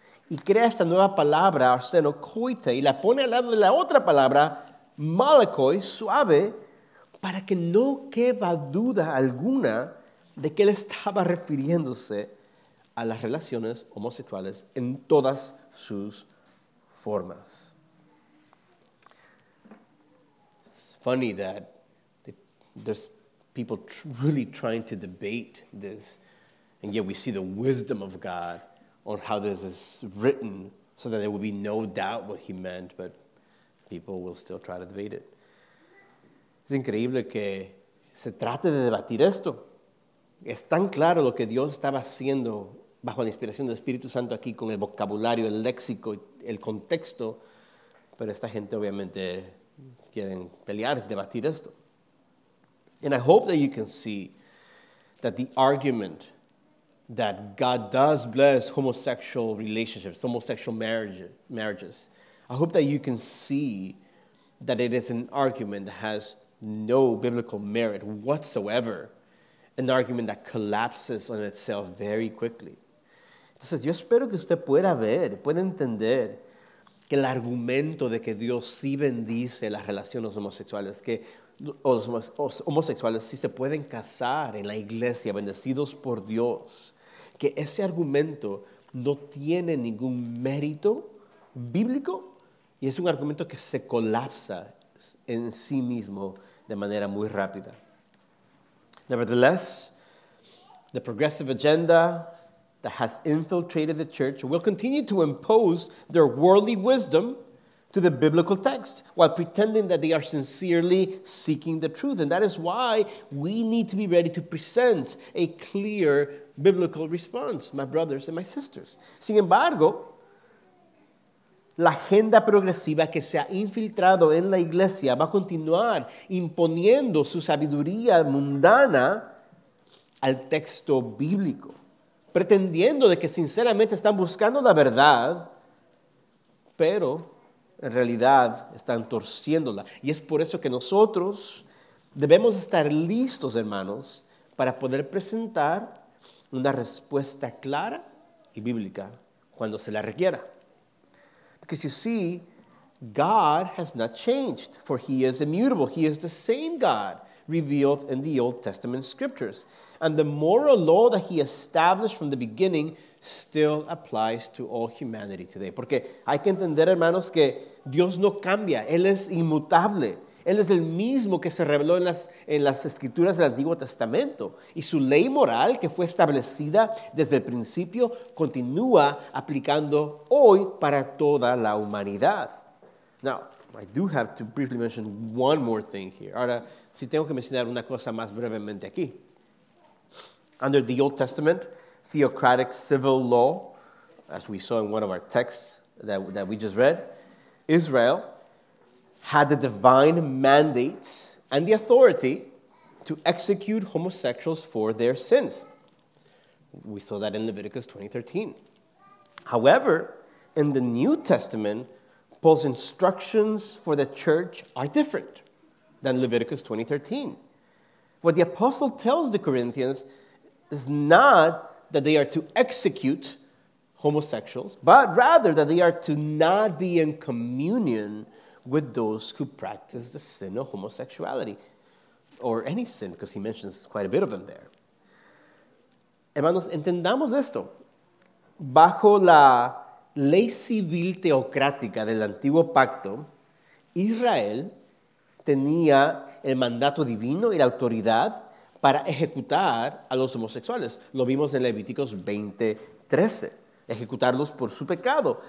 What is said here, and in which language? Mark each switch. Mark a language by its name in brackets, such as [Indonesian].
[Spanish] Y crea esta nueva palabra, arsenokoite, y la pone al lado de la otra palabra, malakoi, suave, para que no quepa duda alguna de que él estaba refiriéndose a las relaciones homosexuales en todas sus formas. [English] It's funny that there's people really trying to debate this, and yet we see the wisdom of God on how this is written so that there will be no doubt what he meant, but people will still try to debate it. [Spanish] Es increíble que se trate de debatir esto. Es tan claro lo que Dios estaba haciendo bajo la inspiración del Espíritu Santo aquí con el vocabulario, el léxico, el contexto, pero esta gente obviamente quieren pelear, debatir esto. [English] And I hope that you can see that the argument that God does bless homosexual relationships, homosexual marriages, I hope that you can see that it is an argument that has no biblical merit whatsoever, an argument that collapses on itself very quickly. [Spanish] Entonces, yo espero que usted pueda ver, pueda entender que el argumento de que Dios sí bendice las relaciones homosexuales, que los homosexuales sí se pueden casar en la iglesia, bendecidos por Dios, que ese argumento no tiene ningún mérito bíblico y es un argumento que se colapsa en sí mismo de manera muy rápida. [English] Nevertheless, the progressive agenda that has infiltrated the church will continue to impose their worldly wisdom to the biblical text while pretending that they are sincerely seeking the truth. And that is why we need to be ready to present a clear biblical response, my brothers and my sisters. [Spanish] Sin embargo, la agenda progresiva que se ha infiltrado en la iglesia va a continuar imponiendo su sabiduría mundana al texto bíblico, pretendiendo de que sinceramente están buscando la verdad, pero en realidad están torciéndola. Y es por eso que nosotros debemos estar listos, hermanos, para poder presentar una respuesta clara y bíblica cuando se la requiera. [English] Because you see, God has not changed, for he is immutable. He is the same God revealed in the Old Testament scriptures. And the moral law that he established from the beginning still applies to all humanity today. [Spanish] Porque hay que entender, hermanos, que Dios no cambia. Él es inmutable. Él es el mismo que se reveló en las escrituras del Antiguo Testamento. Y su ley moral, que fue establecida desde el principio, continúa aplicando hoy para toda la humanidad. [English] Now, I do have to briefly mention one more thing here. [Spanish] Ahora, si tengo que mencionar una cosa más brevemente aquí. [English] Under the Old Testament, theocratic civil law, as we saw in one of our texts that we just read, Israel had the divine mandate and the authority to execute homosexuals for their sins. We saw that in Leviticus 20:13. However, in the New Testament, Paul's instructions for the church are different than Leviticus 20:13. What the apostle tells the Corinthians is not that they are to execute homosexuals, but rather that they are to not be in communion with those who practice the sin of homosexuality, or any sin, because he mentions quite a bit of them there. [Spanish] Hermanos, entendamos esto. Bajo la ley civil teocrática del antiguo pacto, Israel tenía el mandato divino y la autoridad para ejecutar a los homosexuales. Lo vimos en Levíticos 20:13, ejecutarlos por su pecado.